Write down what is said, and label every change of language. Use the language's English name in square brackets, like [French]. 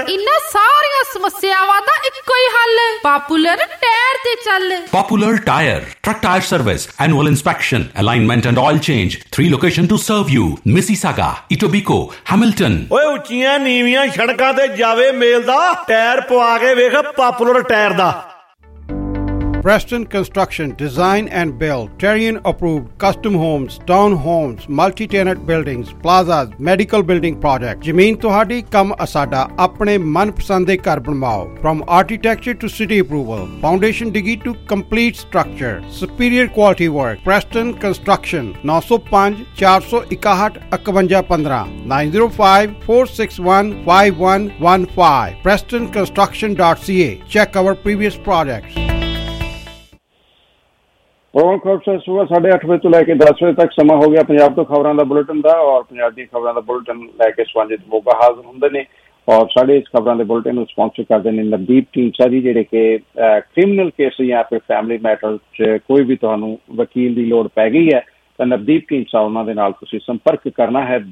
[Punjabi] ਇਹਨਾਂ ਸਾਰੀਆਂ ਸਮੱਸਿਆਵਾਂ ਦਾ ਇੱਕੋ ਹੀ ਹੱਲ, ਪਾਪੂਲਰ ਟਾਇਰ ਤੇ ਚੱਲ। [English] Popular tire, truck tire service, annual inspection, alignment and oil change, 3 location to serve you, Mississauga, Etobicoke, Hamilton. [Punjabi] ਓਏ ਉੱਚੀਆਂ ਨੀਵੀਆਂ ਸੜਕਾਂ ਤੇ ਜਾਵੇ ਮੇਲ ਦਾ, ਟਾਇਰ ਪਵਾ ਕੇ ਵੇਖ popular tyre ਦਾ। [English] Preston Construction, design and build, Terrain approved, custom homes, town homes, multi-tenant buildings, plazas, medical building projects. [Punjabi] Jameen Tohadi, kam asada, apne man pasande kar banwao. [English] From architecture to city approval, foundation digi to complete structure, superior quality work. Preston Construction, 905-461-5115, 905-461-5115, prestonconstruction.ca. Check our previous projects. [Punjabi] Programme ਖਬਰ sir ਸੁਬਹ 8:30 ਤੋਂ ਲੈ ਕੇ 10 ਵਜੇ ਤੱਕ ਸਮਾਂ ਹੋ ਗਿਆ ਪੰਜਾਬ ਤੋਂ ਖਬਰਾਂ ਦਾ ਬੁਲੇਟਿਨ ਦਾ, ਔਰ ਪੰਜਾਬ ਦੀਆਂ ਖਬਰਾਂ ਦਾ ਬੁਲੇਟਿਨ ਲੈ ਕੇ ਸਵਾਜਿਤ ਮੋਗਾ ਹਾਜ਼ਰ ਹੁੰਦੇ ਨੇ, ਔਰ ਸਾਡੇ ਇਸ ਖਬਰਾਂ ਦੇ ਬੁਲੇਟਿਨ ਨੂੰ ਸਪੋਂਸਰ ਕਰਦੇ ਨੇ ਨਵਦੀਪ ਢੀਂਚਾ ਜੀ, ਜਿਹੜੇ ਕਿ ਕ੍ਰਿਮੀਨਲ ਕੇਸ ਜਾਂ ਫਿਰ ਫੈਮਿਲੀ ਮੈਟਰ ਚ ਕੋਈ ਵੀ ਤੁਹਾਨੂੰ ਵਕੀਲ ਦੀ ਲੋੜ ਪੈ ਗਈ ਹੈ ਤਾਂ ਨਵਦੀਪ ਢੀਂਚਾ, ਉਹਨਾਂ ਦੇ ਨਾਲ ਤੁਸੀਂ ਸੰਪਰਕ ਕਰਨਾ ਹੈ।